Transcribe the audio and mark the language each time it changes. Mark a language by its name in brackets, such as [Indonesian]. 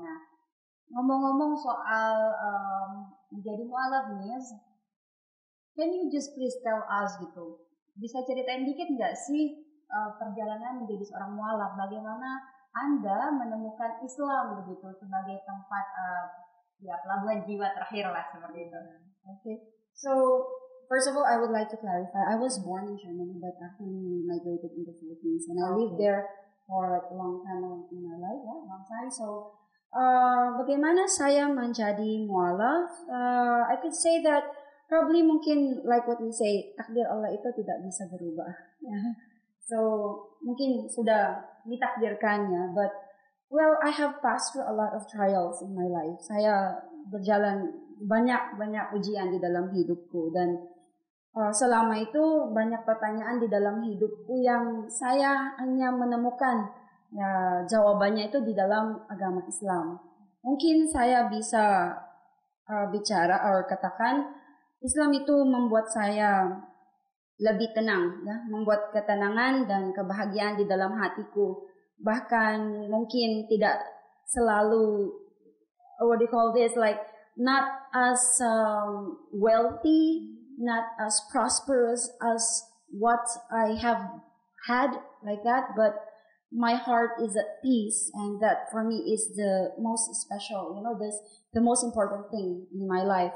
[Indonesian] Nah, ngomong-ngomong soal menjadi mualaf nih, [English] can you just please tell us [Indonesian] gitu, bisa ceritain dikit nggak sih perjalanan menjadi seorang mualaf, bagaimana Anda menemukan Islam begitu sebagai tempat ya pelabuhan jiwa terakhir lah seperti itu. [English] Okay, so first of all, I would like to clarify, I was born in Germany, but actually migrated in the Philippines, and I lived there for a long time in my life, yeah, long time. [Indonesian] So, bagaimana saya menjadi mualaf? [English] I could say that probably [Indonesian] mungkin [English] like what we say, [Indonesian] takdir Allah itu tidak bisa berubah. [English] So, [Indonesian] mungkin sudah ditakdirkannya, [English] but well, I have passed through a lot of trials in my life. [Indonesian] Saya berjalan banyak-banyak ujian di dalam hidupku, dan selama itu banyak pertanyaan di dalam hidupku yang saya hanya menemukan ya, jawabannya itu di dalam agama Islam. Mungkin saya bisa bicara atau katakan Islam itu membuat saya lebih tenang, ya, membuat ketenangan dan kebahagiaan di dalam hatiku. Bahkan mungkin tidak selalu, [English] what do you call this, like not as wealthy, not as prosperous as what I have had like that, but my heart is at peace, and that for me is the most special, you know, this the most important thing in my life.